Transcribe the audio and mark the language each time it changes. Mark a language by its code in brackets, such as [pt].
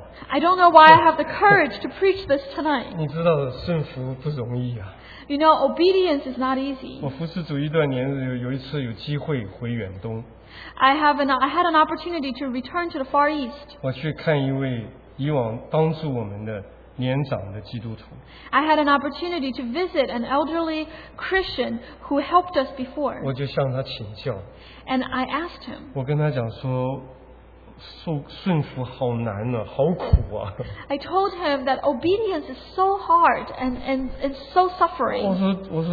[en] I don't know why I have the courage to preach this tonight. [zh] 你知道顺服不容易啊。 [en] You know, obedience is not easy. [zh] 我服侍主一段年日有一次有机会回远东。 [en] I had an opportunity to return to the Far East. [zh] 我去看一位以往帮助我们的年长的基督徒。 [en] I had an opportunity to visit an elderly Christian who helped us before. [zh] 我就向他请教。 [en] And I asked him. [zh] 我跟他讲说, 顺服好难啊，好苦啊。 [en] I told him that obedience is so hard and so suffering.